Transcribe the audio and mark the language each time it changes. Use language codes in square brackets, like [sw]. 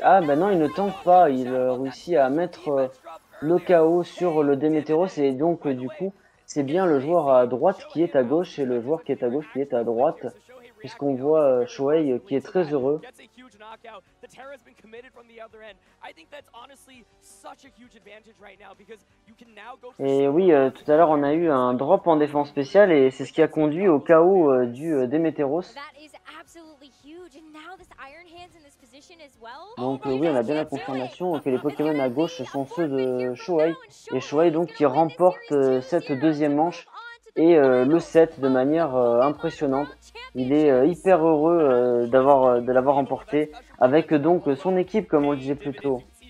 [fr] Ah ben non, il ne tanque pas, il réussit à mettre le KO sur le Demeteros, et donc du coup, c'est bien le joueur à droite qui est à gauche, et le joueur qui est à gauche qui est à droite, puisqu'on voit Shohei qui est très heureux. [en] The Terra has been committed from the other end. I think that's honestly such a huge advantage right now because you can now go. [fr] Et oui, tout à l'heure on a eu un drop en défense spéciale et c'est ce qui a conduit au KO du Demeteros. [en] That is absolutely huge. And now this Iron Hands in this position as well. [fr] Donc oui, on a bien la confirmation que les Pokémon à gauche sont ceux de Shohei, et Shohei donc qui remporte cette deuxième manche et le set de manière impressionnante. Il est hyper heureux de l'avoir remporté avec donc son équipe, comme on le disait plus tôt.